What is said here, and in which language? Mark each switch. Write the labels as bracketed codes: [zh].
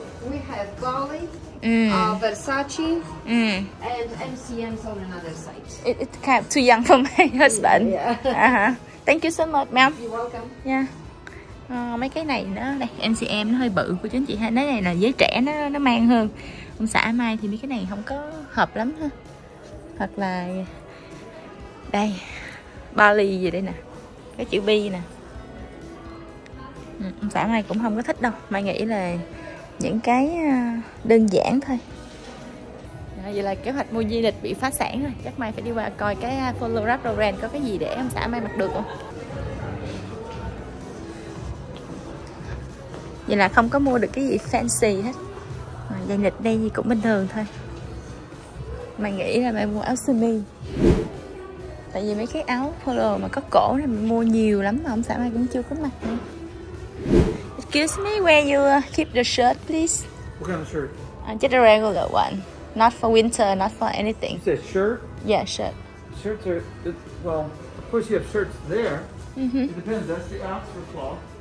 [en] We have Bali, Versace, and MCM's on another site. It's kind of too young for my husband. Yeah. Uh-huh. Thank you so much, ma'am. You're welcome. Yeah. [vi] Mấy cái này nó đây MCM nó hơi bự của chính chị ha. Nói này là giới trẻ nó mang hơn. Ông xã Mai thì mấy cái này không có hợp lắm ha. Hoặc là đây Bali gì đây nè, cái chữ B nè. Ông xã Mai cũng không có thích đâu. Mai nghĩ là những cái đơn giản thôi. Vậy là kế hoạch mua dây nịt bị phá sản rồi. Chắc Mai phải đi qua coi cái Polo Ralph Lauren có cái gì để ông xã Mai mặc được không. Vậy là không có mua được cái gì fancy hết. Dây nịt đây thì cũng bình thường thôi. Mai nghĩ là Mai mua áo sơ mi. Tại vì mấy cái áo polo mà có cổ này mình mua nhiều lắm mà ông xã mai cũng chưa có mặc. [en] Excuse me, where you keep the shirt, please? What kind of shirt? Just a regular one. Not for winter, not for anything. You said shirt? Yeah, shirt. Shirts are, well, of course you have shirts there. Mm-hmm. It depends, that's the outer cloth.